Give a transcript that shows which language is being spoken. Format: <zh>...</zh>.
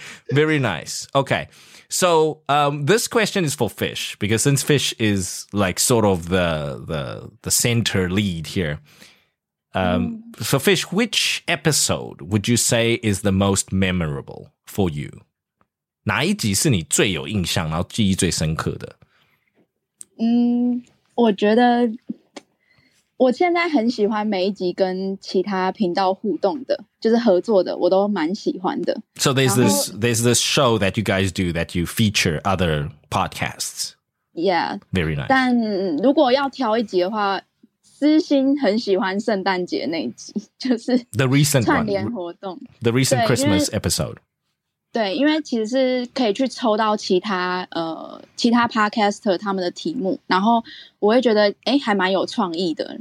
<en>Very nice. Okay. So this question is for Fish, because since Fish is like sort of the center lead here,so Fish, which episode would you say is the most memorable for you?</en> <zh>哪一集是你最有印象然后记忆最深刻的？我觉得我现在很喜欢每一集跟其他频道互动的，就是合作的，我都蛮喜欢的。</zh> <en>So there's this show that you guys do that you feature other podcasts. Yeah, very nice.</en> <zh>但如果要挑一集的话，私心很喜欢圣诞节那一集，就是</zh> <en>the recent</en> <zh>串联活动</zh> <en>，the recent Christmas episode.</en> <zh>对，因为其实是可以去抽到其他 podcaster 他们的题目，然后我会觉得哎，还蛮有创意的。</zh>